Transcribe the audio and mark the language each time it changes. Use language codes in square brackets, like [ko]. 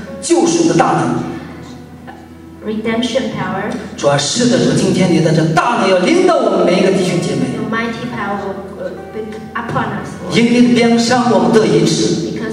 [zh] 救赎的大能。 [en] Redemption power. [zh] 主啊，是的，主，今天你的这大能要临到我们每一个弟兄姐妹。 [en] Your mighty power will be upon us. [zh] 因你的鞭伤，我们得医治。